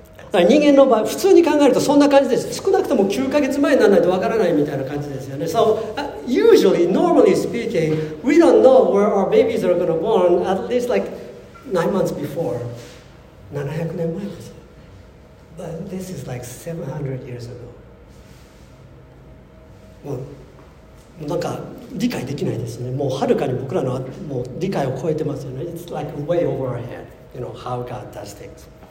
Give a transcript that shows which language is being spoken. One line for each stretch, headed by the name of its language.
Japanese: だから人間の場合、普通に考えるとそんな感じです。少なくとも9ヶ月前にならないとわからないみたいな感じですよね。
English: So, usually, normally speaking, we don't know where our babies are going to born at least like 9 months before.
Japanese: 700年前です。
English: But this is like 700 years ago.
Japanese: もうなんか理解できないですね。もうはるかに僕らのもう理解を超えてますよね。
English: It's like way over our head, you know, how God does things.